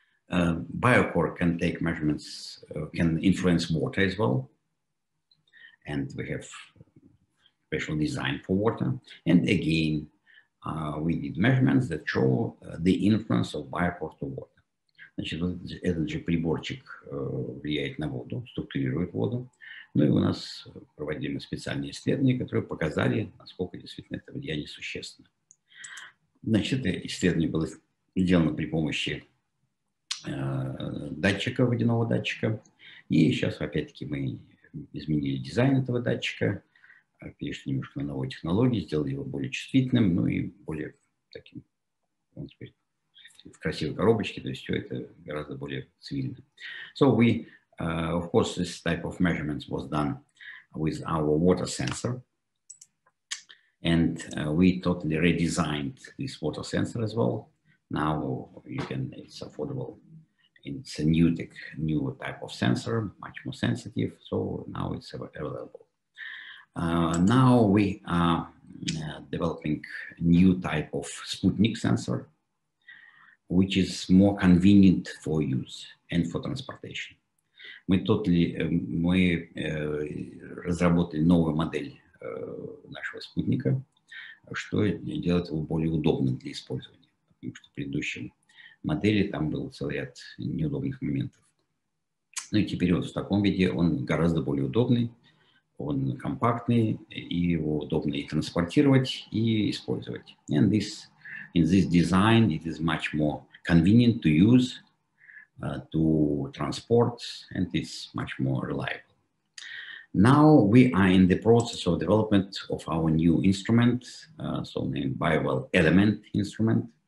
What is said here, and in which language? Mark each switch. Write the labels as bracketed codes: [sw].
[en] BioCore can take measurements, can influence water as well, and we have special design for water. And again, we did measurements that show the influence of BioCore to water. [ru] Значит, вот этот же приборчик влияет на воду, структурирует воду. Ну и у нас проводили специальные исследования, которые показали, насколько действительно это влияние существенно. Значит, это исследование было сделано при помощи датчика, водяного датчика. И сейчас, опять-таки, мы изменили дизайн этого датчика, перешли немножко на новые технологии, сделали его более чувствительным, ну и более таким, он теперь в красивой коробочке, то есть все это гораздо более цивильно. [en] So we, of course, this type of measurements was done with our water sensor. And we totally redesigned this water sensor as well. Now you can, it's affordable. It's a new tech, new type of sensor, much more sensitive. So now it's available. Now we are developing a new type of Sputnik sensor, which is more convenient for use and for transportation. [ru] Мы [en] totally, [ru] мы разработали новую модель нашего спутника, что делает его более удобным для использования. Потому что в предыдущем модели там был целый ряд неудобных моментов. Ну и теперь вот в таком виде он гораздо более удобный, он компактный, и его удобно и транспортировать, и использовать. [en] And this, in this design, it is much more convenient to use, to transport, and it's much more reliable. Now we are in the process of development of our new instrument, so named BioWell Element instrument.